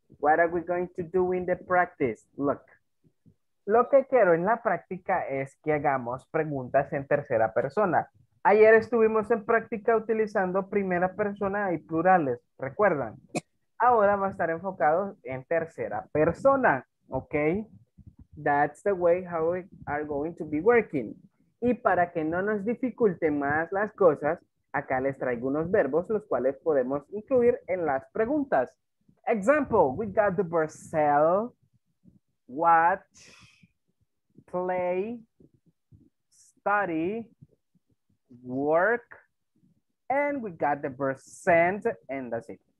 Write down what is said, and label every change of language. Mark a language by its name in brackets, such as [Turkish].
[English] What are we going to do in the practice? Look. [Spanish] Lo que quiero en la práctica es que hagamos preguntas en tercera persona. Ayer estuvimos en práctica utilizando primera persona y plurales. ¿Recuerdan? Ahora va a estar enfocado en tercera persona. ¿Ok? [English] That's the way how we are going to be working. [Spanish] Y para que no nos dificulte más las cosas, acá les traigo unos verbos los cuales podemos incluir en las preguntas. [English] Example, we got the verb sell, watch, play, study, work, and we got the verb send, and that's it.